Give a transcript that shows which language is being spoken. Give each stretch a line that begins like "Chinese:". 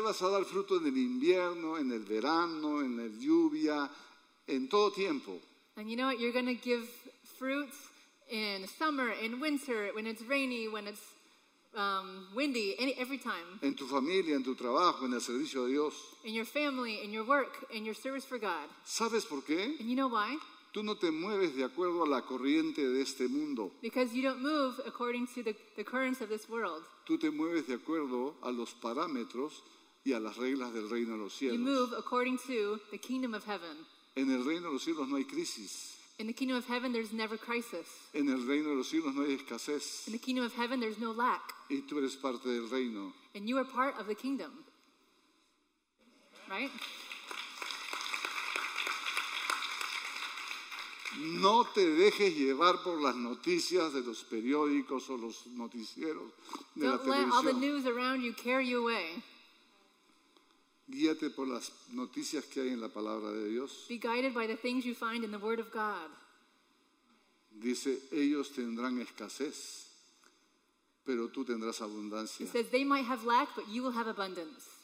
Spanish: Vas a dar fruto en el invierno, en el verano, en la lluvia, en todo tiempo.
English: And you know what? You're going to give fruits in summer, in winter, when it's rainy, when it's windy, every time.
Spanish: En tu familia, en tu trabajo, en el servicio de Dios.
English: In your family, in your work, in your service for God.
Spanish: ¿Sabes por qué?
English: And you know why?
Spanish: Tú no te mueves de acuerdo a la corriente de este mundo.
English: Because you don't move according to the currents of this world.
Spanish: Tú te mueves de acuerdo a los parámetros y a las reglas del reino de los cielos.
English: You move according to the kingdom of heaven.
Spanish: En el reino de los cielos no hay crisis.
English: In the kingdom of heaven, there's never crisis.
Spanish: En el reino de los cielos no hay escasez.
English: In the kingdom of heaven, there's no lack.
Spanish: Y tú eres parte del reino.
English: And you are part of the kingdom. Right?
Spanish: No te dejes llevar por las noticias de los periódicos o los noticieros de
English: Don't
Spanish: la televisión.
English: Don't let all the news around you carry you away.
Spanish: Guíate por las noticias que hay en la palabra de Dios.
English: Be guided by the things you find in the word of God.
Spanish: Dice, ellos tendrán escasez, pero tú tendrás abundancia.
English: It says, they might have lack, but you will have abundance.